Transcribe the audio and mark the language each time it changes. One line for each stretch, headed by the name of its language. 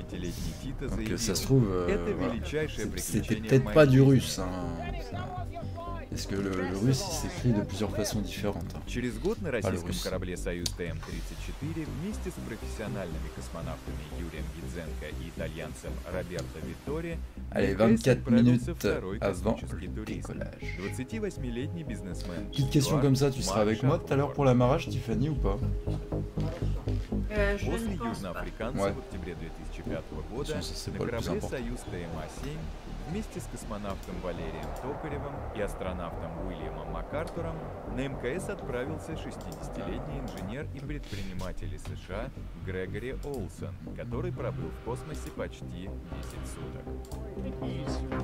French: Donc ça se trouve, c'était peut-être pas du russe. Hein. Parce que le russe il s'écrit de plusieurs façons différentes.
Russian: Через год на российском корабле Союз ТМ-34 вместе с профессиональными космонавтами Юрием Гидзенко и итальянцем Роберто Виттори.
French: Allez, 24 minutes avant le décollage.
Russian: 28-летний бизнесмен.
French: Petite question comme ça, tu seras avec moi tout à l'heure pour l'amarrage, Tiffany, ou pas?
Russian: После южноафриканцев в октябре 2005 года на корабле Союз ТМ-7. Вместе с космонавтом Валерием Токаревым и астронавтом Уильямом МакАртуром на МКС отправился 60-летний инженер и предприниматель из США Грегори Олсен, который пробыл в космосе почти 10 суток.